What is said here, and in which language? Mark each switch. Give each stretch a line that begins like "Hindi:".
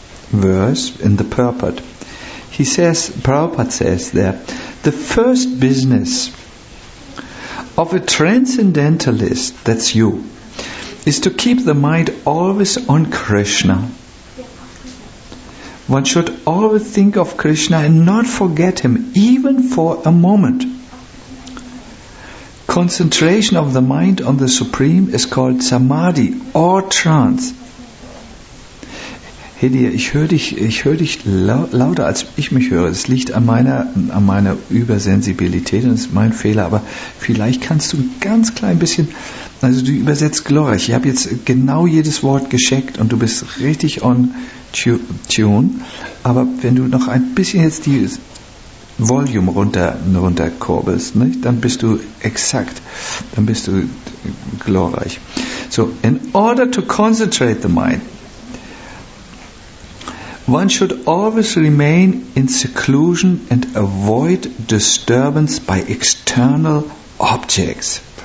English: verse in the purport. He says, Prabhupada says there, the first business of a transcendentalist, that's you, is to keep the mind always on Krishna. One should always think of Krishna and not forget him, even for a moment. Concentration of the mind on the Supreme is called Samadhi or trance.
German: Hedi, ich höre dich lauter als ich mich höre. Es liegt an meiner Übersensibilität und es ist mein Fehler, aber vielleicht kannst du ein ganz klein bisschen, also du übersetzt glorreich. Ich habe jetzt genau jedes Wort gescheckt und du bist richtig
English: on tune,
German: aber wenn du noch ein bisschen jetzt die Volume runterkurbelst, ne, dann bist du exakt, dann bist du glorreich.
English: So, in order to concentrate the mind, one should always remain in seclusion and avoid disturbance by external objects.